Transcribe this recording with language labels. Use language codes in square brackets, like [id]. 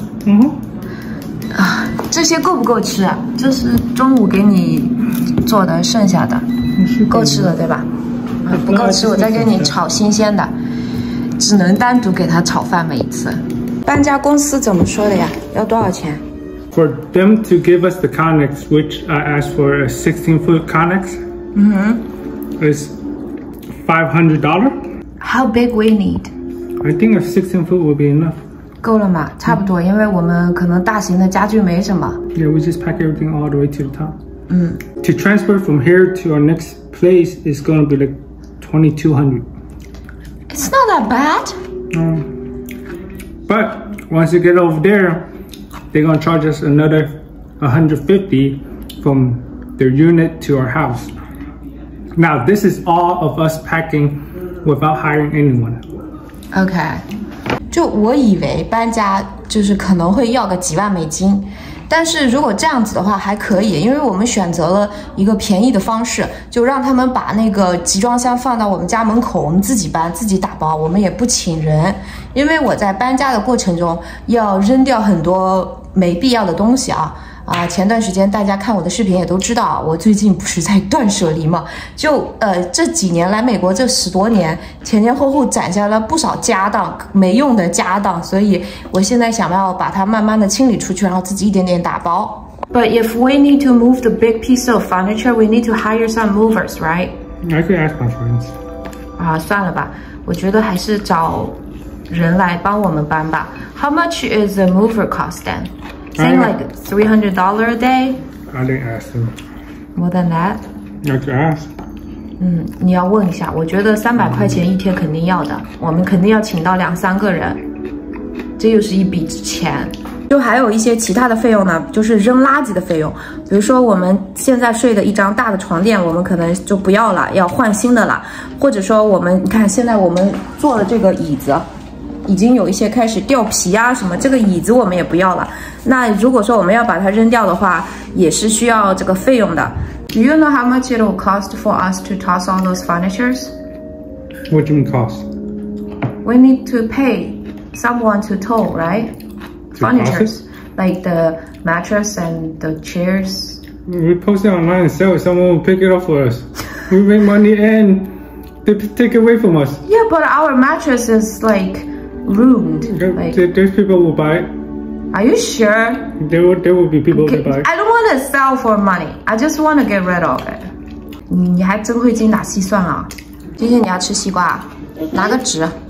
[zh] 嗯。这些够不够吃？就是中午给你做的剩下的，够吃了对吧？不够吃我再给你炒新鲜的，只能单独给他炒饭每一次。搬家公司怎么说的呀？要多少钱？ [en] For them to give us the connex, which I asked for a 16-foot connex, is $500. How big we need? I think a 16-foot will be enough. [zh] 够了吗？差不多，因为我们可能大型的家具没什么。 [en] Yeah, we just pack everything all the way to the top. 嗯。 To transfer from here to our next place is gonna be like $2,200. It's not that bad. But once you get over there, they're gonna charge us another $150 from their unit to our house. Now this is all of us packing without hiring anyone. Okay. [zh] 就我以为搬家就是可能会要个几万美金，但是如果这样子的话还可以，因为我们选择了一个便宜的方式，就让他们把那个集装箱放到我们家门口，我们自己搬自己打包，我们也不请人。因为我在搬家的过程中要扔掉很多没必要的东西啊。前段时间大家看我的视频也都知道，我最近不是在断舍离嘛，就这几年来美国这十多年，前前后后攒下了不少家当，没用的家当，所以我现在想要把它慢慢的清理出去，然后自己一点点打包。 [en] But if we need to move the big piece of furniture, we need to hire some movers, right? I could ask my friends. [zh] 算了吧，我觉得还是找人来帮我们搬吧。 [en] How much is the mover cost then? Saying like $300 a day? I didn't ask him. More than that? [zh] 要去 [en] ask。 [zh] 嗯，你要问一下，我觉得300块钱一天肯定要的，我们肯定要请到两三个人，这又是一笔钱。就还有一些其他的费用呢，就是扔垃圾的费用，比如说我们现在睡的一张大的床垫，我们可能就不要了，要换新的了。或者说我们，你看现在我们坐的这个椅子，已经有一些开始掉皮啊什么，这个椅子我们也不要了。那如果说我们要把它扔掉的话，也是需要这个费用的。 [en] Do you know how much it will cost for us to toss all those furnitures? What do you mean cost? We need to pay someone to tow, right? To furnitures, like the mattress and the chairs. We post it online and sell it. Someone will pick it up for us. We make money and they take it away from us. Yeah, but our mattress is like ruined. Those people will buy it. Are you sure? There will be people to buy. I don't want to sell for money. I just want to get rid of it. [zh] 你还真会精打细算啊！今天你要吃西瓜，拿个纸。